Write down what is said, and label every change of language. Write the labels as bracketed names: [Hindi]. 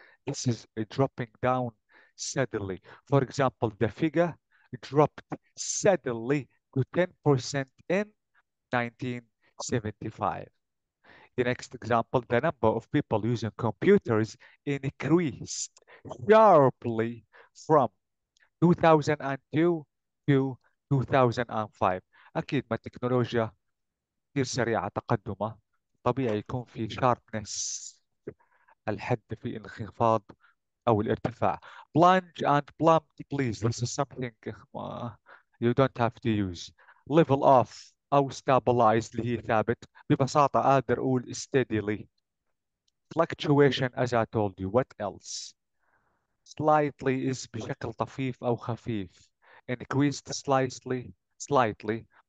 [English] This is a dropping down suddenly. For example, the figure dropped suddenly to 10% in 1975. The next example, the number of people using computers increased sharply from 2002 to 2005. [Arabic] أكيد ما التكنولوجيا كثير سريعة تقدمها، طبيعي يكون في sharpness. الحد في الانخفاض أو الارتفاع. [English] Plunge and plummet, please. This is something you don't have to use. [Arabic] Level off أو stabilize اللي هي ثابت. ببساطة أقدر أقول steadily. [English] Fluctuation as I told you. What else? Slightly is [Arabic] بشكل طفيف أو خفيف. [English] Increased slightly, slightly